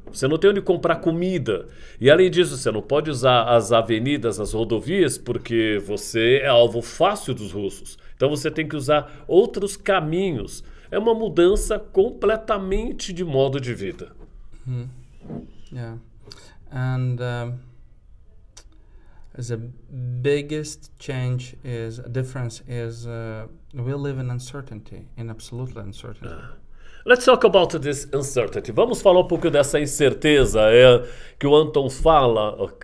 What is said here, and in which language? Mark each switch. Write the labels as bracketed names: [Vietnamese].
[Portuguese] Você não tem onde comprar comida. E além disso, você não pode usar as avenidas, as rodovias, porque você é alvo fácil dos russos. Então você tem que usar outros caminhos. É uma mudança completamente de modo de vida. [English] Yeah. And the biggest change is difference is we live in uncertainty, in absolute uncertainty. Let's talk about this uncertainty. [Portuguese] Vamos falar um pouco dessa incerteza que o Anton fala.